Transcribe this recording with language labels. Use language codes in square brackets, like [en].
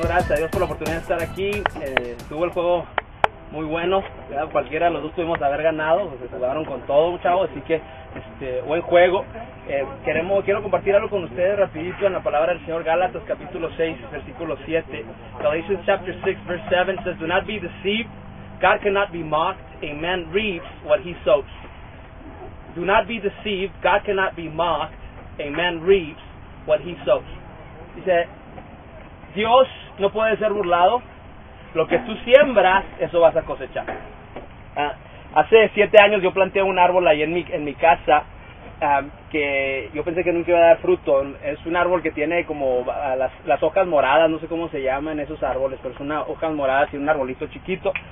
[es] a Dios por la oportunidad de estar aquí. Tuvo el juego muy bueno, ¿verdad? Cualquiera de los dos pudimos haber ganado, se jugaron con todo, chavos, así que buen juego. Quiero compartir algo con ustedes rapidito en la palabra del Señor. Gálatas capítulo 6, versículo 7. [en] Galatians chapter 6, verse 7 says, do not be deceived, God cannot be mocked, a man reaps what he sows. Do not be deceived, God cannot be mocked, a man reaps what he sows. [es] Dice, Dios no puede ser burlado, lo que tú siembras, eso vas a cosechar. Hace 7 años yo planté un árbol ahí en mi casa, que yo pensé que nunca iba a dar fruto. Es un árbol que tiene como las hojas moradas, no sé cómo se llaman esos árboles, pero son hojas moradas y un arbolito chiquito.